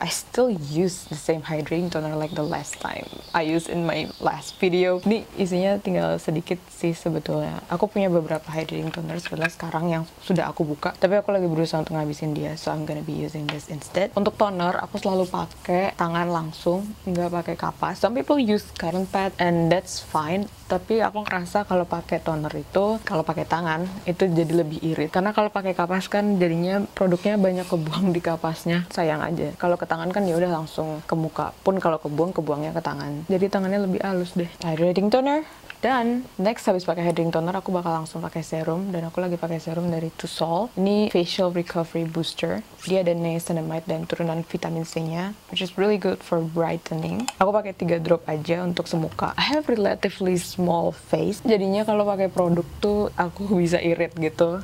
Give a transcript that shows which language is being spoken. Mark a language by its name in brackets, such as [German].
[English] I still use the same hydrating toner like the last time I use in my last video. [Indonesian] Ini isinya tinggal sedikit sih sebetulnya. Aku punya beberapa hydrating toner sebenarnya sekarang yang sudah aku buka, tapi aku lagi berusaha untuk ngabisin dia, [English] so I'm gonna be using this instead. [Indonesian] Untuk toner aku selalu pakai tangan langsung, nggak pakai kapas. [English] Some people use cotton pad and that's fine, [Indonesian] tapi aku ngerasa kalau pakai toner itu, kalau pakai tangan itu jadi lebih irit, karena kalau pakai kapas kan jadinya produknya banyak kebuang di kapasnya, sayang aja. Kalau ke tangan kan ya udah langsung ke muka. Pun kalau kebuang, kebuangnya ke tangan. Jadi tangannya lebih halus deh. Hydrating toner. Dan next habis pakai hydrating toner aku bakal langsung pakai serum, dan aku lagi pakai serum dari Tusol. Ini facial recovery booster. Dia ada niacinamide dan turunan vitamin C-nya, [English] which is really good for brightening. [Indonesian] Aku pakai 3 drop aja untuk semuka. [English] I have relatively small face. [Indonesian] Jadinya kalau pakai produk tuh aku bisa irit gitu.